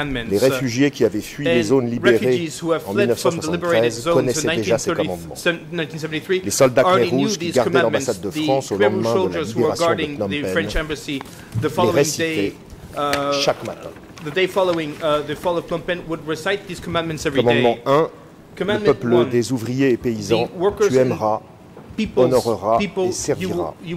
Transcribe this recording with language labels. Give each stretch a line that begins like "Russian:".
French: Les réfugiés qui avaient fui les zones libérées en 1973 connaissaient déjà ces commandements. Les soldats Khmer Rouges qui gardaient l'ambassade de France au lendemain de la libération de Phnom Penh les récitaient chaque matin.
English: The day following the fall of Phnom Penh would recite these commandments every day.
French: Commandement 1. Le peuple des ouvriers et paysans, tu aimeras, honoreras et serviras.